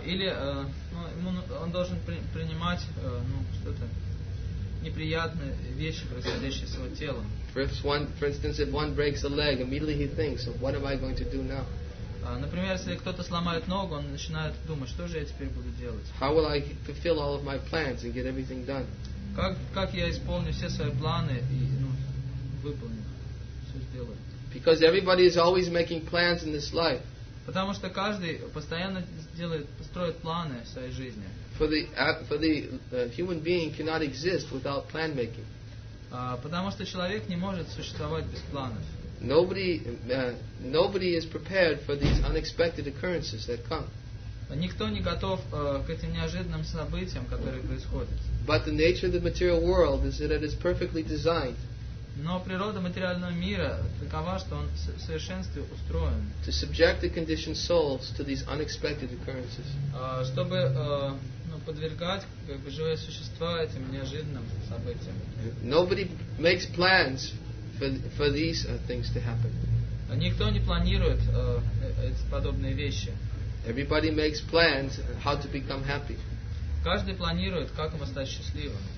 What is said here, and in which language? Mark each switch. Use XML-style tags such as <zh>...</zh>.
<ru>Он должен принимать что-то неприятные вещи, происходящие с его телом.</ru> <en>If one breaks a leg, immediately he thinks, what am I going to do now?</en> <ru>Например, если кто-то сломает ногу, он начинает думать, что же я теперь буду делать?</ru> <en>How will I fulfill all of my plans and get everything done?</en> <ru>Как я исполню все свои планы и выполню, все сделаю?</ru> <en>Because everybody is always making plans in this life.</en> <ru>Потому что каждый постоянно делает, строит планы в своей жизни.</ru> <en>For the human being cannot exist without plan making.</en> <ru>Потому что человек не может существовать без планов.</ru> <en>Nobody is prepared for these unexpected occurrences that come.</en> <ru>Никто не готов к этим неожиданным событиям, которые происходят.</ru> <en>But the nature of the material world is that it is perfectly designed.</en> <ru>Но природа материального мира такова, что он в совершенстве устроен.</ru> <en>To subject the conditioned souls to these unexpected occurrences.</en> <ru>Чтобы подвергать как бы живые существа этим неожиданным событиям.</ru> <en>Nobody makes plans for these things to happen.</en> <ru>Никто не планирует эти подобные вещи.</ru> <en>Everybody makes plans how to become happy.</en> <ru>Каждый планирует, как ему стать счастливым.</ru>